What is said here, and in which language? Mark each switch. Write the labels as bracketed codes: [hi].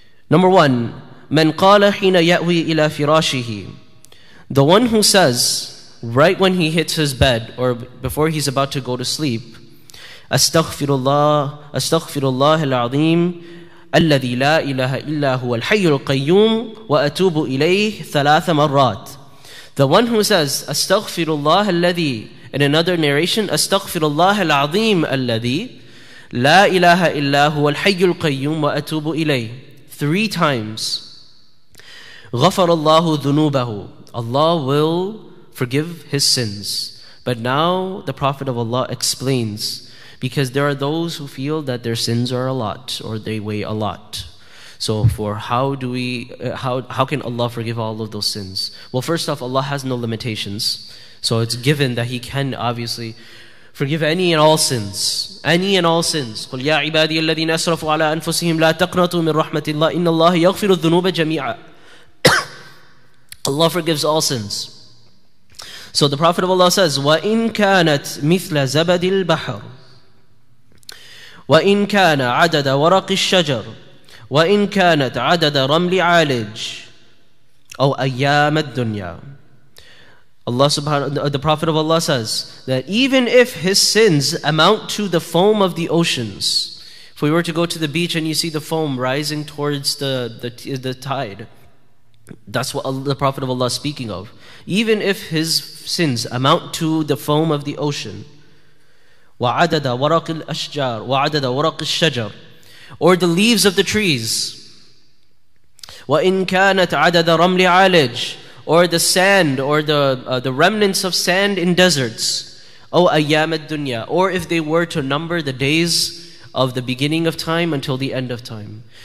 [en] Number one, [ar] من قال حين يأوي إلى فراشه, [en] the one who says right when he hits his bed or before he's about to go to sleep, [ar] أستغفر الله العظيم الذي لا إله إلا هو الحي القيوم وأتوب إليه ثلاث مرات. [en] The one who says [ar] أستغفر الله الذي, [en] in another narration, [ar] أستغفر الله العظيم الذي لا إله إلا هو الحي القيوم وأتوب إليه, [en] three times. [ar] غفر الله ذنوبه, [en] Allah will forgive his sins. But now the Prophet of Allah explains, because there are those who feel that their sins are a lot or they weigh a lot. So for how can Allah forgive all of those sins? Well, first off, Allah has no limitations. So it's given that He can obviously forgive any and all sins. Any and all sins. [ar] قُلْ يَا عِبَادِيَ الَّذِينَ أَسْرَفُوا عَلَىٰ أَنفُسِهِمْ لَا تَقْنَطُوا مِنْ رَحْمَةِ اللَّهِ إِنَّ اللَّهَ يَغْفِرُ الذُّنُوبَ جَمِيعًا. [en] Allah forgives all sins. So the Prophet of Allah says, [ar] وَإِن كَانَتْ مِثْلَ زَبَدِ الْبَحَرِ وَإِن كَانَ عَدَدَ وَرَقِ الشَّجَرِ وَإِن كَانَتْ عَدَدَ رَمْلِ عَالِجِ أَوْ أَيَّامَ الدُّنْيَا. [en] Allah subhanahu, the Prophet of Allah says that even if his sins amount to the foam of the oceans, if we were to go to the beach and you see the foam rising towards the tide, that's what the Prophet of Allah is speaking of. Even if his sins amount to the foam of the ocean, [ar] وَعَدَدَ وَرَقِ الْأَشْجَارِ وَعَدَدَ وَرَقِ الشَّجَرِ, [en] or the leaves of the trees, [ar] وَإِن كَانَتْ عَدَدَ رَمْلِ عَالِجِ, [en] or the sand, or the remnants of sand in deserts, [ar] أو أيام الدنيا, [en] or if they were to number the days of the beginning of time until the end of time.